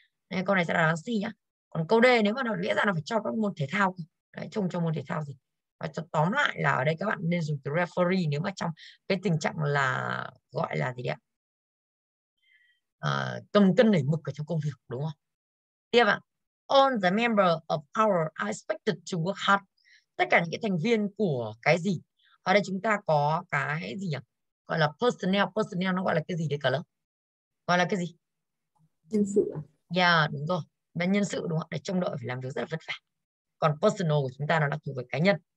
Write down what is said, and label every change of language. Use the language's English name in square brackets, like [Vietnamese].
[Vietnamese] Nên câu này sẽ là đáng suy nhá. Còn câu D nếu mà nó nghĩa ra là phải cho các môn thể thao, đấy, trông cho môn thể thao gì? Và tóm lại là ở đây các bạn nên dùng từ referee nếu mà trong cái tình trạng là gọi là gì đấy, cầm cân nảy mực ở trong công việc, đúng không? Tiếp ạ. [English] All the member of our are expected to work hard. [Vietnamese] Tất cả những cái thành viên của cái gì? Ở đây chúng ta có cái gì nhỉ? Gọi là personnel. Personnel nó gọi là cái gì đấy cả lớp? Gọi là cái gì? Nhân sự à? Đúng rồi. Là nhân sự, đúng không? Để trông đợi phải làm việc rất là vất vả. Còn personal của chúng ta nó là thuộc về cá nhân.